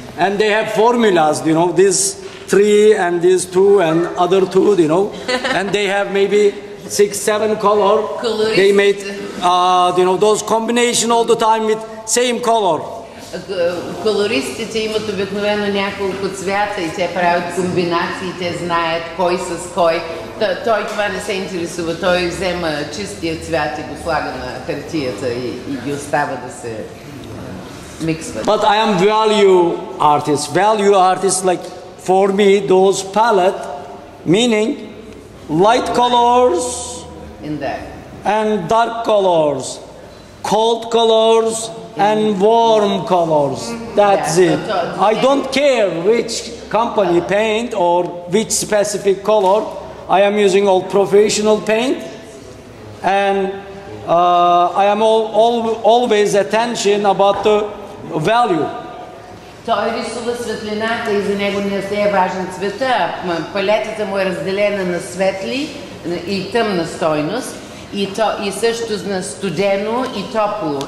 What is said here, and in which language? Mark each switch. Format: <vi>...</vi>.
<en>And they have formulas, you know, this three and this two and other two, you know. And they have maybe six, seven color. Colorist. They made, you know, those combination all the time with same color.</en> <bg>Колористите имат обикновено няколко цвята и те правят комбинации, те знаят кой с кой. Той това не се интересува, той взема чистия цвят и го слага на хартията и ги остава да се...</bg> <en>But I am value artist. Value artist, like for me, those palette, meaning light colors in there and dark colors, cold colors and warm colors. That's it. I don't care which company paint or which specific color. I am using all professional paint and I am always attention about the value.</en> <bg>Той рисува светлината и за него не е важен цвета. Палетата му е разделена на светли и тъмна стойност и също на студено и топло.</bg>